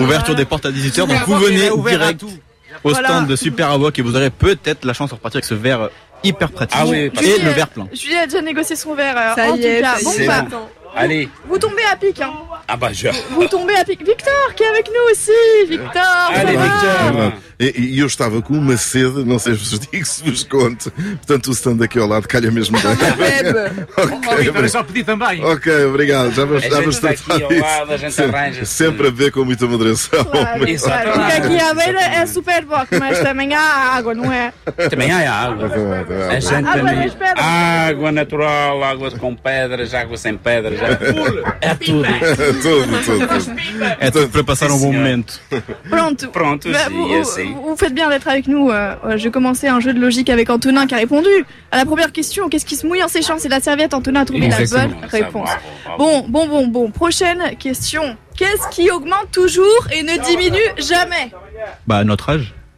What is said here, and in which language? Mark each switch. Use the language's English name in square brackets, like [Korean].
[French] Ouverture des portes à 18h, donc vous venez direct au stand de Super Awok et vous aurez peut-être la chance de repartir avec ce verre hyper pratique. Ah oui, et le verre plein. Julie a déjà négocié son verre. Ça y est, c'est bon. Allez. Vous tombez à pic. Hein. Ah bah je. Vous tombez à pic. Victor qui est avec nous aussi. Victor. Allez, Victor. [Portuguese] E eu estava com uma sede, não sei se vos digo, se vos conto. Portanto, o stand aqui ao lado calha mesmo bem. Ok, obrigado. Já vamos tratar disso. Sempre a beber com muita moderação. Claro, claro. O que aqui há ver é super box, mas também há água, não é? Também há água. A gente também. Água natural, água com pedras, água sem pedras. É tudo. É para passar um bom momento. Pronto, sim, assim. [French] Vous faites bien d'être avec nous. Je commençais un jeu de logique avec Antonin qui a répondu à la première question. Qu'est-ce qui se mouille en séchant? C'est la serviette. Antonin a trouvé la bonne réponse. Bon. Prochaine question. Qu'est-ce qui augmente toujours et ne diminue jamais? Bah, notre âge.